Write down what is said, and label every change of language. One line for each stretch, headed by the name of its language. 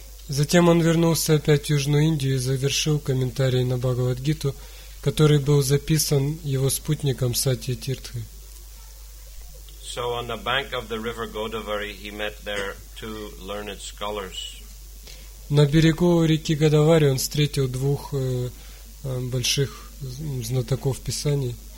Russian: Затем он вернулся опять в Южную Индию и завершил комментарий на Бхагавад Гиту, который был записан его спутником Сатья Тиртхой.
English: So on the bank of the river Godavari, he met there two learned scholars.
Russian: На берегу реки Годавари он встретил двух больших знатоков Писаний.